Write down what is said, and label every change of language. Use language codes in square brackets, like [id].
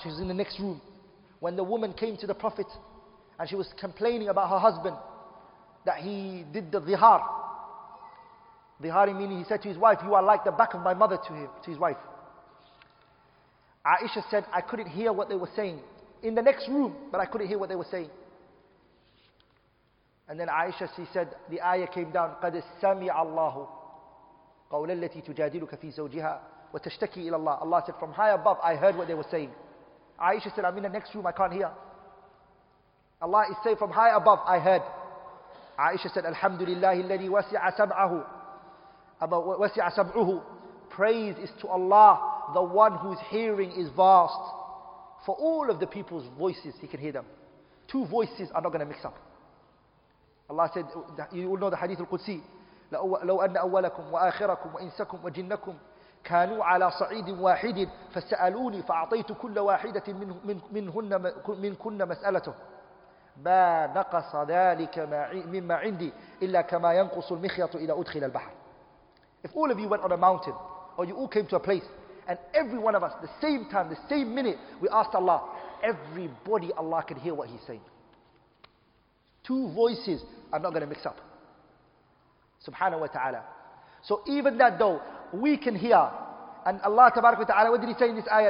[en] She was in the next room when the woman came to the Prophet and she was complaining about her husband that he did the dhihar. Dhihari meaning, he said to his wife, you are like the back of my mother to him, to his wife. Aisha said, I couldn't hear what they were saying. in the next room, but I couldn't hear what they were saying. And then Aisha, she said, the ayah came down, [ar] قَدْ سَمِعَ اللَّهُ قَوْلَ الَّتِي تُجَادِلُكَ فِي زَوْجِهَا وَتَشْتَكِي إِلَى اللَّهِ. [en] Allah said, from high above, I heard what they were saying. Aisha said, I'm in the next room, I can't hear. Allah is saying, from high above, I heard. Aisha said, Alhamdulillah, [ar] الَّذِي وَسِعَ سَمْعَهُ وَسِعَ سَمْعُهُ. [en] Praise is to Allah, the one whose hearing is vast. For all of the people's voices, he can hear them. Two voices are not going to mix up. Allah said, you will know the hadith al-Qudsi, [ar] لَوْ أَنَّ أَوَّلَكُمْ وَآخِرَكُمْ وَإِنْسَكُمْ وَجِنَّكُمْ كَانُوا عَلَى صَعِيدٍ وَاحِدٍ فَسَأَلُونِي فَأَعْطَيْتُ كُلَّ وَاحِدَةٍ مِنْكُنَّ مَسْأَلَتُهُ مَا نَقَصَ ذَلِكَ مِمَّا عِنْدِي إِلَّا كَمَا يَنْقُصُ الْمِخْيَطُ إِلَى أُدْخِلَ الْبَحْرِ. [en] If all of you went on a mountain, or you all came to a place, and every one of us, the same time, the same minute, we asked Allah, everybody, Allah can hear what he's saying. Two voices are not going to mix up. Subhanahu wa ta'ala. So even that though, we can hear. And Allah tabarak wa ta'ala, what did he say in this ayah?